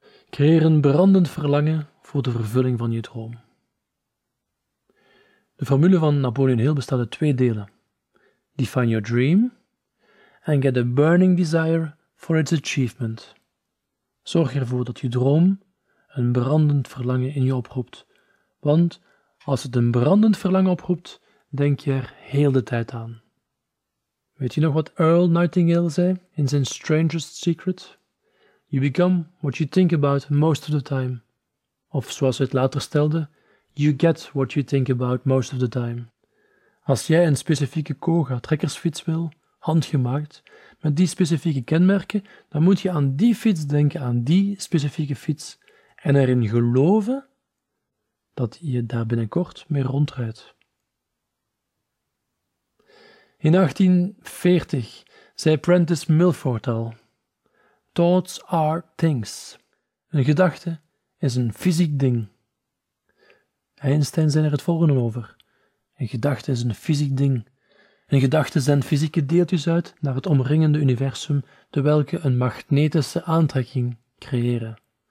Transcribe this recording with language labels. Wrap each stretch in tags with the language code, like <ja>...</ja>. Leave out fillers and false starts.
<nl>Creëer een brandend verlangen voor de vervulling van je droom. De formule van Napoleon Hill bestaat uit twee delen.</nl> <en>Define your dream and get a burning desire for its achievement.</en> <nl>Zorg ervoor dat je droom een brandend verlangen in je oproept. Want als het een brandend verlangen oproept, denk je er heel de tijd aan. Weet je nog wat Earl Nightingale zei in zijn Strangest Secret?</nl> <en>You become what you think about most of the time.</en> <nl>Of zoals hij het later stelde,</nl> <en>you get what you think about most of the time.</en> <nl>Als jij een specifieke Koga trekkersfiets wil, handgemaakt, met die specifieke kenmerken, dan moet je aan die fiets denken, aan die specifieke fiets, en erin geloven dat je daar binnenkort mee rondrijdt. In 1840 zei Prentice Milford al:</nl> <en>Thoughts are things.</en> <nl>Een gedachte is een fysiek ding. Einstein zei er het volgende over: Een gedachte is een fysiek ding. Een gedachte zendt fysieke deeltjes uit naar het omringende universum, terwijl ze een magnetische aantrekking creëren.</nl>